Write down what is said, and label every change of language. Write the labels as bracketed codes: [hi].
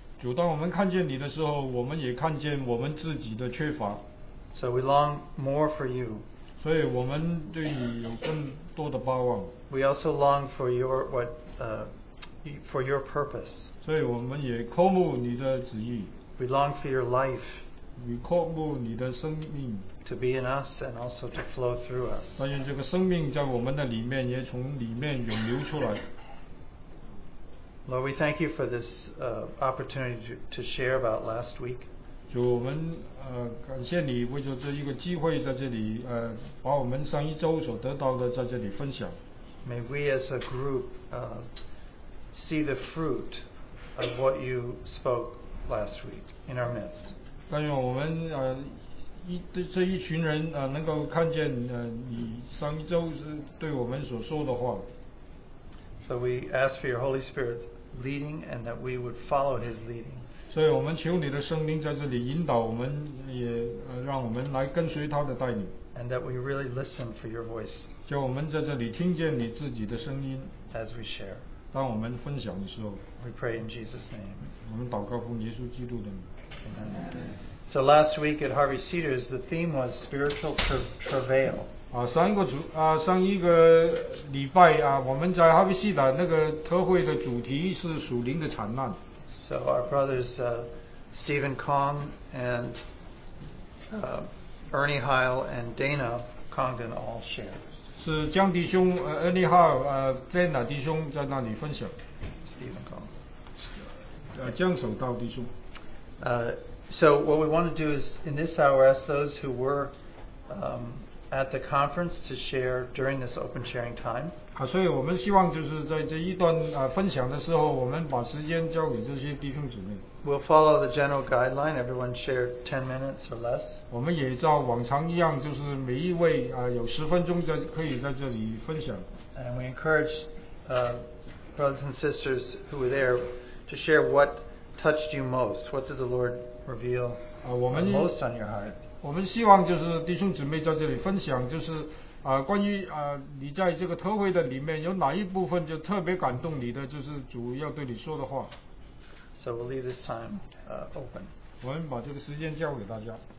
[zh] 主，当我们看见你的时候，我们也看见我们自己的缺乏。 [en] So we long more for you. [zh] 所以我们对你有更多的盼望。 [en] We also long for your what for your purpose. [zh] 所以我们也渴慕你的旨意。 [en] We long for your life. [zh] 你渴慕你的生命。 [en] To be in us and also to flow through us. [zh] 但愿这个生命在我们的里面，也从里面涌流出来。 [en] Lord, we thank you for this opportunity to share about last week. [zh] 主，我们感谢你为着这一个机会在这里把我们上一周所得到的在这里分享。 [en] May we as a group see the fruit of what you spoke last week in our midst. [zh] 但愿我们这一群人能够看见你上一周是对我们所说的话。 [en] So we ask for your Holy Spirit leading and that we would follow his leading. [zh] 所以我们求你的圣灵在这里引导我们，也让我们来跟随他的带领。 [en] And that we really listen for your voice. [zh] 叫我们在这里听见你自己的声音。 [en] As we share. [zh] 当我们分享的时候。 [en] We pray in Jesus' name. [zh] 我们祷告奉耶稣基督的名。 [en] Amen. So last week at Harvey Cedars, the theme was spiritual travail. [zh] 上一个礼拜我们在 Harvey Cedars 那个特会的主题是属灵的惨难。 [en] So our brothers Stephen Kong and Ernie Heil and Dana Congdon all shared. [zh] 是江弟兄 Ernie Heil Dana 弟兄在那里分享。 [en] Stephen Kong. [zh] 江守道弟兄。 [en] So what we want to do is in this hour ask those who were at the conference to share during this open sharing time. [zh] 所以我们希望就是在这一段分享的时候，我们把时间交给这些弟兄姊妹。 [en] We'll follow the general guideline. Everyone shared 10 minutes or less. [zh] 我们也照往常一样，就是每一位有十分钟可以在这里分享。 [en] And we encourage brothers and sisters who were there to share what touched you most. What did the Lord reveal most on your heart? [zh] 我们希望就是弟兄姊妹在这里分享，就是关于你在这个特会的里面有哪一部分就特别感动你的，就是主要对你说的话。 [en] So we'll leave this time open. [zh] 我们把这个时间交给大家。